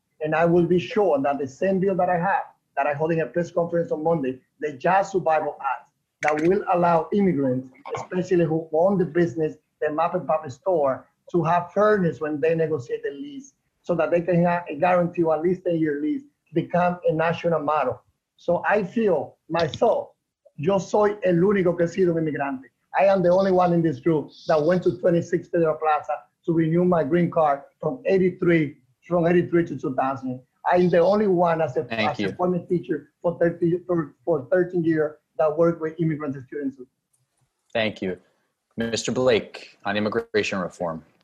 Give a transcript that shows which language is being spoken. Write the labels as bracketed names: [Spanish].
[English] And I will be sure that the same bill that I have, that I'm holding a press conference on Monday, the Jazz Survival Act, that will allow immigrants, especially who own the business, the map and pop store, to have fairness when they negotiate the lease so that they can have a guarantee of at least a year lease, become a national model. So I feel myself, [Spanish] yo soy el único que ha sido un inmigrante. [English] I am the only one in this group that went to 26 Federal Plaza to renew my green card from 83 to 2000. I'm the only one as a former teacher for 13 years that worked with immigrant students. Thank you. Mr. Blake, on immigration reform.